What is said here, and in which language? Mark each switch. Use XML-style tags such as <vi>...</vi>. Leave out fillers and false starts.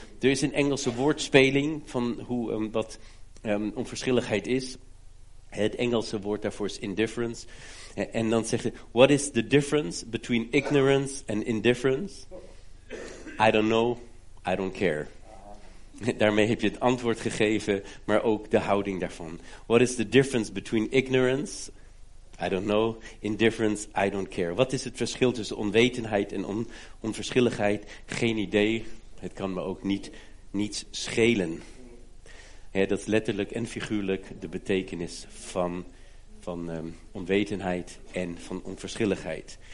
<nl>Er is een Engelse woordspeling van wat onverschilligheid is. Het Engelse woord daarvoor is indifference. En dan zegt hij,</nl> <en>what is the difference between ignorance and indifference? I don't know, I don't care.</en> <nl>Daarmee heb je het antwoord gegeven, maar ook de houding daarvan.</nl> <en>What is the difference between ignorance? I don't know, indifference, I don't care.</en> <nl>Wat is het verschil tussen onwetendheid en onverschilligheid? Geen idee, het kan me ook niets schelen. Ja, dat is letterlijk en figuurlijk de betekenis van onwetendheid en van onverschilligheid.</nl>